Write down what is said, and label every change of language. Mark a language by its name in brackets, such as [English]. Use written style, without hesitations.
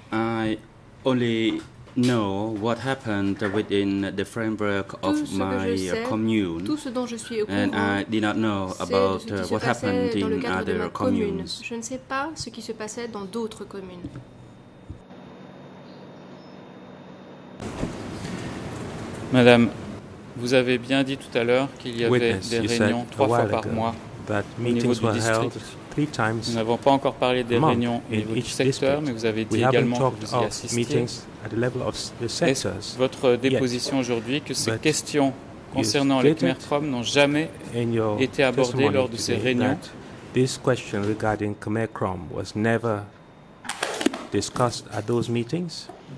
[English] I only know what happened within the framework of my commune. [French] Tout ce dont je suis au courant, [English] and I did not know about what happened in other communes. [French] Je ne sais pas ce qui se passait dans d'autres communes. Madame, vous avez bien dit tout à l'heure qu'il y avait des réunions trois fois par mois au niveau du district. Nous n'avons pas encore parlé des réunions au niveau du secteur, mais vous avez dit également que vous y assistiez. Est-ce votre déposition aujourd'hui que ces questions concernant les Khmer Krom n'ont jamais été abordées lors de ces réunions? [English] This question regarding Khmer Krom was never discussed at those meetings.